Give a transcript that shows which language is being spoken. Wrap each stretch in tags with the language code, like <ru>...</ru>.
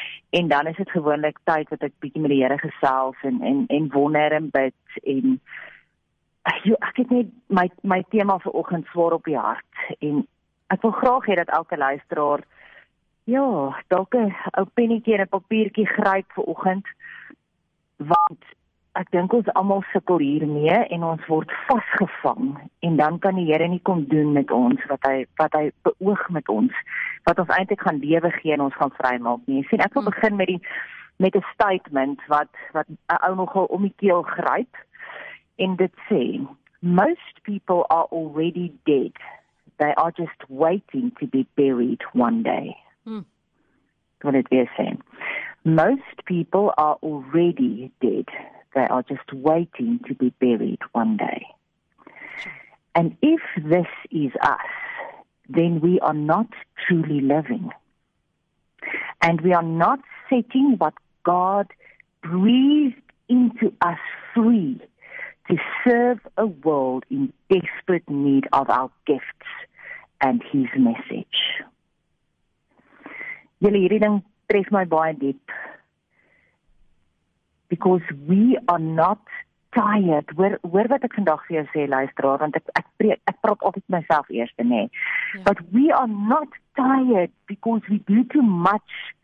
<af>En dan is dit gewoonlik tyd wat ek bietjie met die Here gesels en wonder en bid en ek het net my tema vir oggend swaar op die hart en ek wil graag hê dat elke luisteraar dalk 'n ou pennetjie en 'n papiertjie gryp vir oggend, want ek dink ons almal sukkel hiermee en ons word vasgevang en dan kan die Here nie kom doen met ons wat hy beoog met ons, wat ons eintlik gaan lewe gee en ons gaan vrymaak nie. Sien, ek wil begin met 'n statement wat 'n ou nogal om die keel gryp en dit sê:</af> <en>most people are already dead. They are just waiting to be buried one day.</en> <af>Wat het weer sê?</af> <en>Most people are already dead. They are just waiting to be buried one day. And if this is us, then we are not truly living. And we are not setting what God breathed into us free to serve a world in desperate need of our gifts and His message.</en> <af>Julle, hierdie ding tref my baie diep.</af> <en>Because we are not tired.</en> <af>Hoor wat ek vandag vir jou sê, luisteraar, want ek praat altyd myself eers, nê.</af> <en>Yeah. But we are not tired because we do too much.</en>